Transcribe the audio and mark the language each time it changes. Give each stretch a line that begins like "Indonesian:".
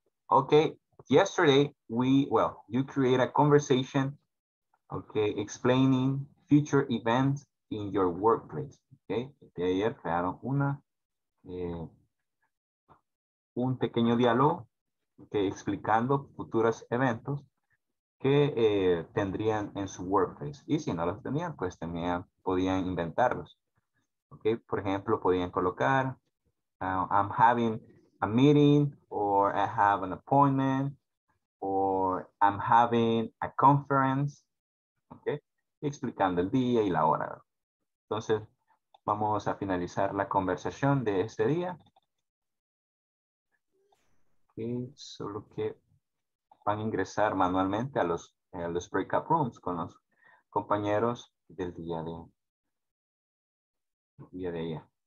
English: Okay, yesterday you create a conversation, okay, explaining future events in your workplace.
Spanish: Okay, de ayer crearon una, un pequeño diálogo, okay, explicando futuros eventos que tendrían en su workplace. Y si no los tenían, pues tenían, podían inventarlos.
English: Okay,
Spanish: por ejemplo, podían colocar,
English: I'm having a meeting, or I have an appointment, or I'm having a conference.
Spanish: Okay, explicando el día y la hora. Entonces, vamos a finalizar la conversación de este día. Okay, solo que van a ingresar manualmente a los breakout rooms con los compañeros del día de ayer.